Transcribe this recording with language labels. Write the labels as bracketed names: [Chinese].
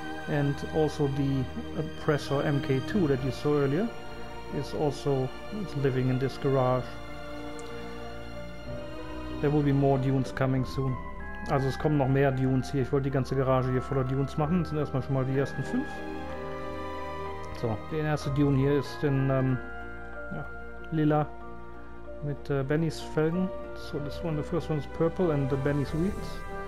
[English] And also the Oppressor MK2 that you saw earlier is living in this garage. There will be more dunes coming soon. [German] Also es kommen noch mehr Dunes hier. Ich wollte die ganze Garage hier voller Dunes machen. Das sind erstmal schon mal die ersten 5. So, der erste Dune hier ist in lila mit Benny's Felgen. [English] So, this one, the first one is purple and the Benny's wheels.